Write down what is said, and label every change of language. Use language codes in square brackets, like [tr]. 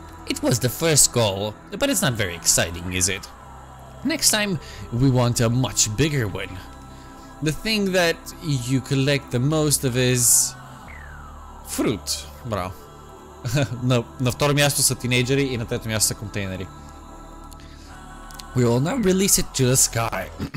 [en] It was the first goal, but it's not very exciting, is it? Next time, we want a much bigger one. The thing that you collect the most of is... fruit. [bg] Браво. На второ място са тинейджери и на трето място са контейнери. [en] We will now release it to the sky.